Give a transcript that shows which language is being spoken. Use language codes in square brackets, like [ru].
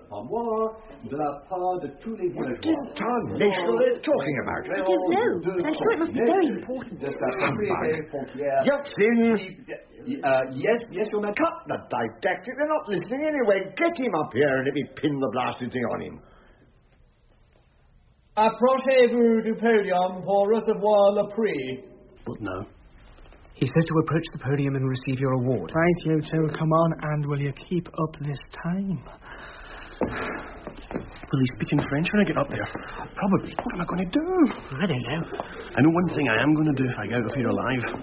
[en] What in tarnation are they talking about? I don't know, but I'm sure it must be very important. Humbug. Yeltsin. Yes, your man. Cut the didactic. They're not listening anyway. Get him up here and let me pin the blasted thing on him. [fr] Approchez-vous du podium pour recevoir le prix. [en] But no. He says to approach the podium and receive your award. Right, you two, come on, and will you keep up this time? Will he speak in French when I get up there? Probably. What am I going to do? I don't know. I know one thing I am going to do if I get out of here alive.